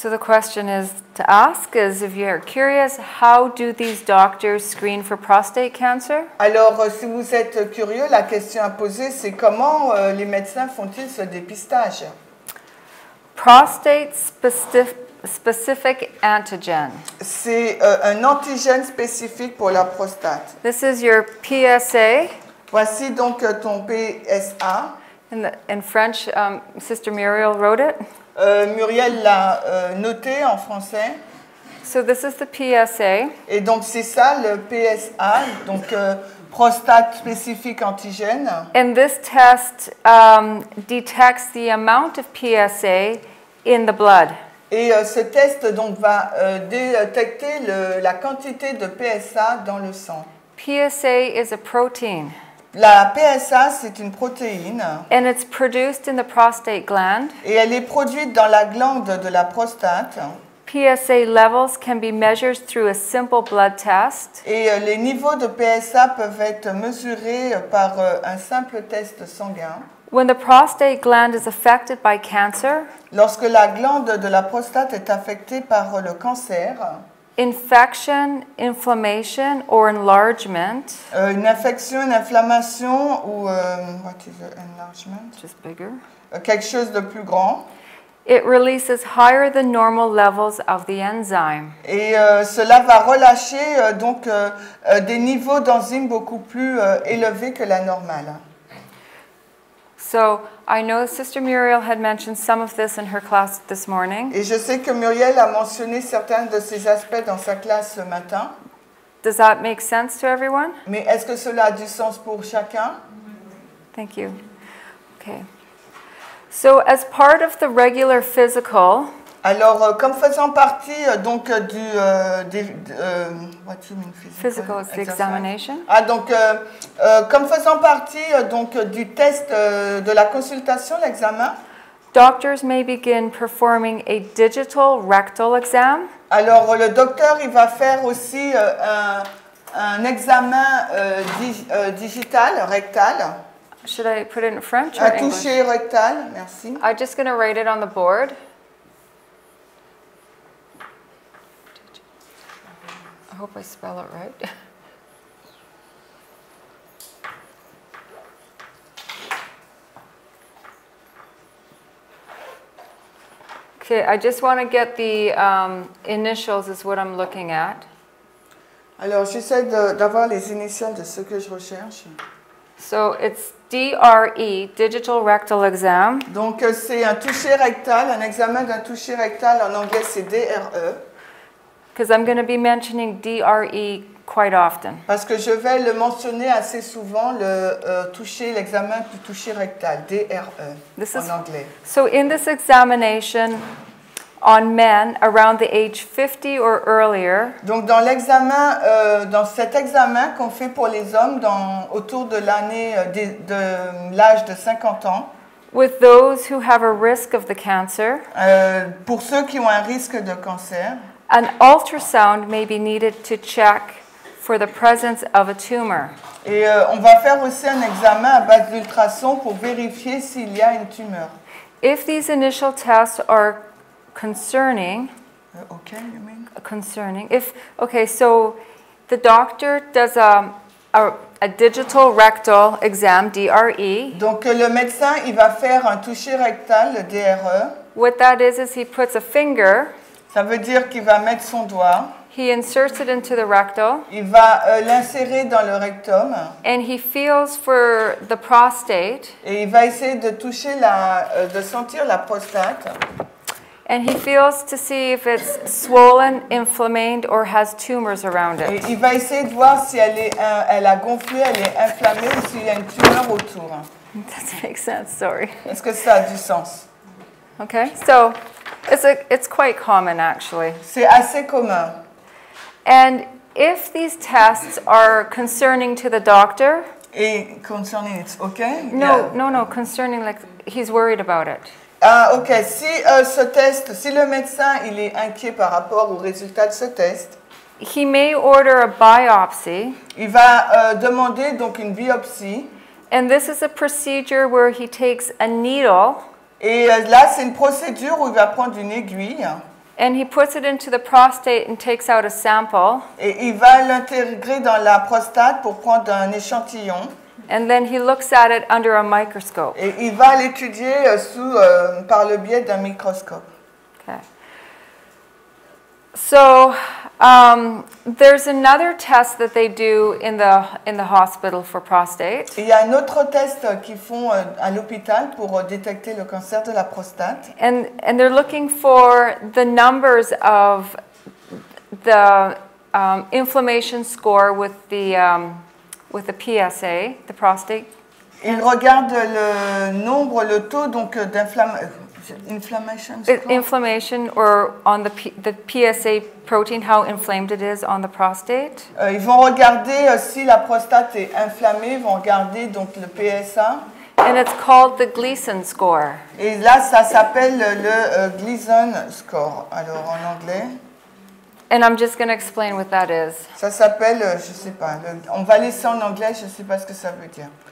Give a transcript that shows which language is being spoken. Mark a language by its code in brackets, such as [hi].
[en] So the question is to ask is if you're curious, how do these doctors screen for prostate cancer? [fr] Alors, si vous êtes curieux, la question à poser, c'est comment les médecins font-ils ce dépistage? [en] Prostate specific antigen. [fr] C'est un antigène spécifique pour la prostate. [en] This is your PSA. [fr] Voici donc ton PSA. [en] In French, Sister Muriel wrote it. [fr] Muriel l'a noté en français. [en] So this is the PSA. [fr] Et donc c'est ça le PSA, donc prostate spécifique antigène. [en] And this test detects the amount of PSA in the blood. [fr] Et ce test donc va détecter la quantité de PSA dans le sang. [en] PSA is a protein. [fr] La PSA, c'est une protéine. [en] And it's produced in the prostate gland. [fr] Et elle est produite dans la glande de la prostate. [en] PSA levels can be measured through a simple blood test. [fr] Et les niveaux de PSA peuvent être mesurés par un simple test sanguin. [en] When the prostate gland is affected by cancer, [fr] lorsque la glande de la prostate est affectée par le cancer, [en] infection, inflammation, or enlargement. [fr] Une infection, une inflammation ou [en] what is it, enlargement? Just bigger. [fr] Quelque chose de plus grand. [en] It releases higher than normal levels of the enzyme. [fr] Et cela va relâcher donc des niveaux d'enzymes beaucoup plus élevés que la normale. [en] So I know Sister Muriel had mentioned some of this in her class this morning. [fr] Et je sais que Muriel a mentionné certains de ces aspects dans sa classe ce matin. [en] Does that make sense to everyone? [fr] Mais est-ce que cela a du sens pour chacun? [en] Thank you. Okay. So as part of the regular physical. [fr] Alors comme faisant partie donc du [en] what do you mean physical is the examination. [fr] Ah donc comme faisant partie donc du test de la consultation l'examen. [en] Doctors may begin performing a digital rectal exam. [fr] Alors le docteur il va faire aussi un examen digital rectal. [en] Should I put it in French or English? [fr] Un toucher rectal, merci. [en] I'm just going to write it on the board. I hope I spell it right. Okay, I just want to get the initials is what I'm looking at. [fr] Alors, j'essaie d'avoir les initiales de ce que je recherche. [en] So it's DRE, digital rectal exam. [fr] Donc c'est un toucher rectal, un examen d'un toucher rectal. En anglais, c'est DRE. [en] Because I'm going to be mentioning DRE quite often. [fr] Parce que je vais le mentionner assez souvent, le toucher, l'examen du toucher rectal, DRE, this en anglais. [en] So in this examination on men around the age 50 or earlier. [fr] Donc dans l'examen, dans cet examen qu'on fait pour les hommes dans autour de l'année de l'âge de 50 ans. [en] With those who have a risk of the cancer. [fr] Pour ceux qui ont un risque de cancer. [en] An ultrasound may be needed to check for the presence of a tumor. [fr] Et on va faire aussi un examen à base d'ultrasons pour vérifier s'il y a une tumeur. [en] If these initial tests are concerning, okay, you mean? Concerning. If okay, so the doctor does a digital rectal exam, DRE. [fr] Donc le médecin, il va faire un toucher rectal, le DRE. [en] What that is he puts a finger. [fr] Ça veut dire qu'il va mettre son doigt. [en] He inserts it into the rectum. [fr] Il va l'insérer dans le rectum. [en] And he feels for the prostate. [fr] Et il va essayer de toucher de sentir la prostate. [en] And he feels to see if it's swollen, inflamed, or has tumors around it. [fr] Et il va essayer de voir si elle a gonflé, elle est inflammée, ou s'il y a une tumeur autour. [en] That makes sense. Sorry. [fr] Est-ce que ça a du sens? [en] Okay. So. It's quite common, actually. [fr] C'est assez commun. [en] And if these tests are concerning to the doctor... Et concerning, it's okay? No, yeah. No, concerning, like, he's worried about it. Ah, okay. [fr] Si ce test, si le médecin, il est inquiet par rapport au résultat de ce test... [en] He may order a biopsy. [fr] Il va demander, donc, une biopsie. [en] And this is a procedure where he takes a needle... [fr] Et là, c'est une procédure où il va prendre une aiguille. [en] And he puts it into the prostate and takes out a sample. [fr] Et il va l'intégrer dans la prostate pour prendre un échantillon. [en] And then he looks at it under a microscope. [fr] Et il va l'étudier sous par le biais d'un microscope. [en] Okay. So there's another test that they do in the hospital for prostate. [fr] Il y a un autre test qu'ils font à l'hôpital pour détecter le cancer de la prostate. [en] And they're looking for the numbers of the inflammation score with the PSA, the prostate. [fr] Ils regardent le nombre, le taux donc d'inflammation. [en] Inflammation or on the PSA protein, how inflamed it is on the prostate. [fr] Ils vont regarder si la prostate est inflammée, ils vont regarder donc le PSA. [en] And it's called the Gleason score. [fr] Et là, ça s'appelle le Gleason score, alors en anglais. [en] And I'm just going to explain what that is. [fr] Ça s'appelle, je sais pas, on va laisser en anglais, je sais pas ce que ça veut dire.